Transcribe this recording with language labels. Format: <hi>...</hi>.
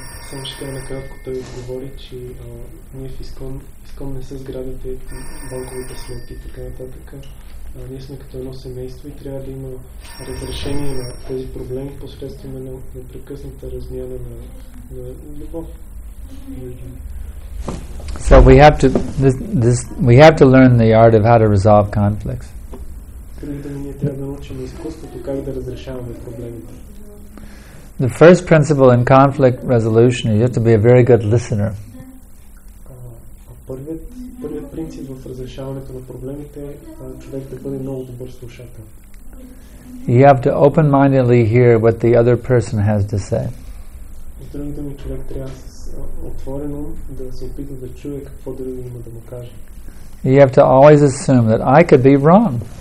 <bg>Само ще кажа накратко, той говори, че ние в ИСКОН не са сградите, банковите сметки и така нататък. Ние сме като едно семейство и трябва да има разрешение на тези проблеми посредством на непрекъсната размяна на любов.</bg> <en>So we have to learn the art of how to resolve conflicts.</en> <bg>Ние трябва да научим изкуството как да разрешаваме проблемите.</bg> <en>The first principle in conflict resolution is you have to be a very good listener.</en> <bg>Първият принцип в разрешаването на проблемите е човек да бъде много добър слушател.</bg> <en>You have to open-mindedly hear what the other person has to say. You have to always assume that I could be wrong.</en>